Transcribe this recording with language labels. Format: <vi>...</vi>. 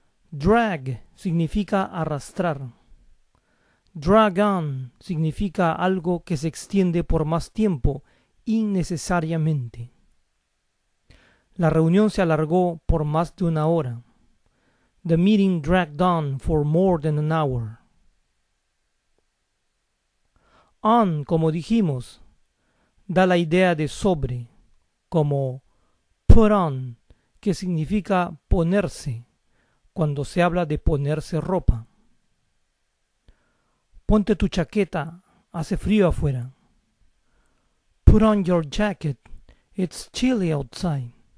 <es>Drag significa arrastrar. Drag on significa algo que se extiende por más tiempo innecesariamente. La reunión se alargó por más de una hora.</es> <en>The meeting dragged on for more than an hour.</en> <es>On, como dijimos, da la idea de sobre, como put on, que significa ponerse, cuando se habla de ponerse ropa. Ponte tu chaqueta, hace frío afuera.</es> <en>Put on your jacket, it's chilly outside.</en>